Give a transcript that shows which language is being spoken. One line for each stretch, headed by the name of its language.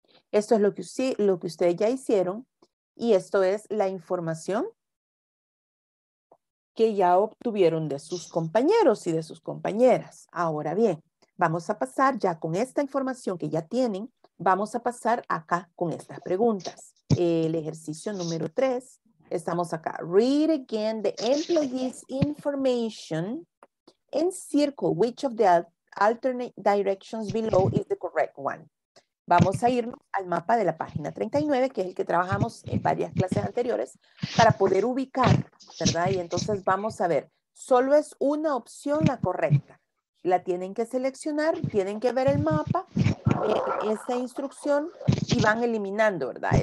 Spanish: Esto es lo que ustedes ya hicieron y esto es la información que ya obtuvieron de sus compañeros y de sus compañeras. Ahora bien, vamos a pasar ya con esta información que ya tienen, vamos a pasar acá con estas preguntas. El ejercicio número 3, estamos acá.
English: Read again the employee's information and circle which of the alternate directions below is the correct one.
Spanish: Vamos a irnos al mapa de la página 39, que es el que trabajamos en varias clases anteriores, para poder ubicar, ¿verdad? Y entonces vamos a ver, solo es una opción la correcta. La tienen que seleccionar, tienen que ver el mapa, esta instrucción, y van eliminando, ¿verdad?